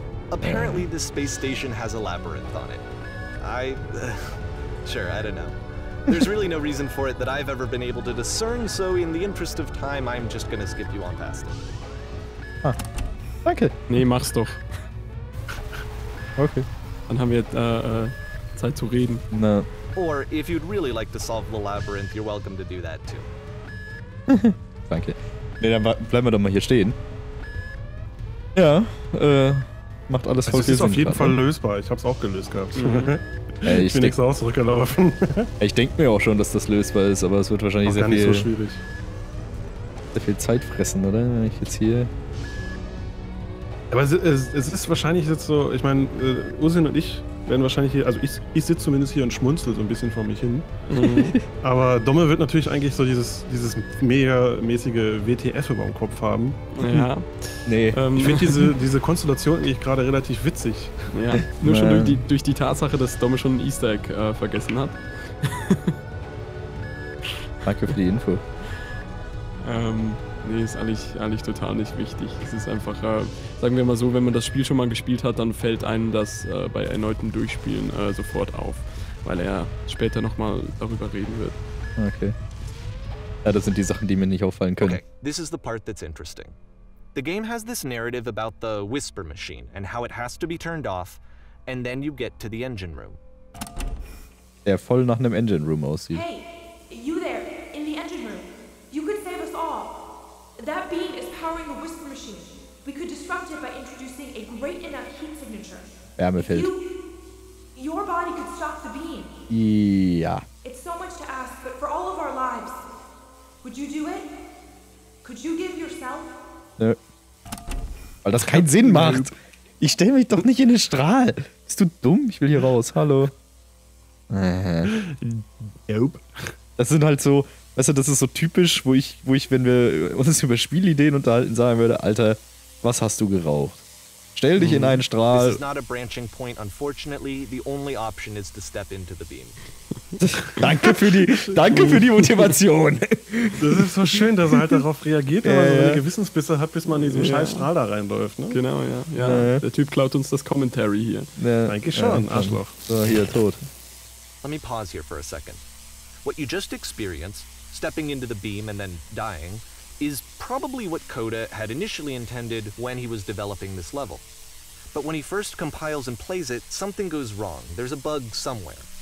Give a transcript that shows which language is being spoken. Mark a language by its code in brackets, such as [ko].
[en] Apparently this space station has a labyrinth on it. Sure, I don't know. There's really no reason for it that I've ever been able to discern, so in the interest of time, I'm just gonna skip you on past it. [de] Ah, danke. Nee, mach's doch. Okay. Dann haben wir Zeit zu reden. Na. [en] Or, if you'd really like to solve the labyrinth, you're welcome to do that too. [de] Danke. Nee, dann bleiben wir doch mal hier stehen. Ja, macht alles voll Sinn. Es ist auf jeden Fall lösbar, ich hab's auch gelöst gehabt. Ich bin extra zurückgelaufen. Ich denke mir auch schon, dass das lösbar ist, aber es wird wahrscheinlich auch sehr viel. Gar nicht so schwierig. Sehr viel Zeit fressen, oder? Wenn ich jetzt hier. Aber es ist wahrscheinlich jetzt so, ich meine, Usin und ich werden wahrscheinlich hier, also ich sitze zumindest hier und schmunzel so ein bisschen vor mich hin. Aber Domme wird natürlich eigentlich so dieses mega mäßige WTF über dem Kopf haben. Ja. Nee. Ich finde diese Konstellation eigentlich gerade relativ witzig. Ja. Nur schon durch die Tatsache, dass Domme schon ein Easter Egg vergessen hat. Danke für die Info. Nee, ist eigentlich total nicht wichtig. Es ist einfach, sagen wir mal so, wenn man das Spiel schon mal gespielt hat, dann fällt einem das bei erneuten Durchspielen sofort auf, weil er später nochmal darüber reden wird. Okay. Ja, das sind die Sachen, die mir nicht auffallen können. [en] Okay, this is the part that's interesting. The game has this narrative about the Whisper Machine and how it has to be turned off, and then you get to the engine room. [de] Der voll nach einem Engine Room aussieht. [en] Hey, you there, in the engine room. You could save us all. That beam is powering the Whisper Machine. We could disrupt it by introducing a great enough heat signature. [de] Wärmefeld. [en] Your body could stop the beam. Yeah. It's so much to ask, but for all of our lives, would you do it? Could you give yourself? [de] Nö. Weil das keinen Sinn macht. Ich stelle mich doch nicht in den Strahl. Bist du dumm? Ich will hier raus. Hallo. [en] Nope. [de] Das sind halt so, weißt du, das ist so typisch, wo ich, wenn wir uns über Spielideen unterhalten, sagen würde, Alter, was hast du geraucht? Stell dich in einen Strahl. [en] This is not a branching point, unfortunately. The only option is to step into the beam. [de] Danke für die Motivation. Das ist so schön, dass er halt darauf reagiert, wenn man so eine Gewissensbisse hat, bis man in diesen scheiß Strahl da reinläuft. Ne? Genau, ja. Ja. Der Typ klaut uns das Commentary hier. Danke schon, Arschloch. So, hier, tot. [en] Let me pause here for a second. What you just experienced, stepping into the beam and then dying, is probably what Coda had initially intended when he was developing this level. But when he first compiles and plays it, something goes wrong. There's a bug somewhere.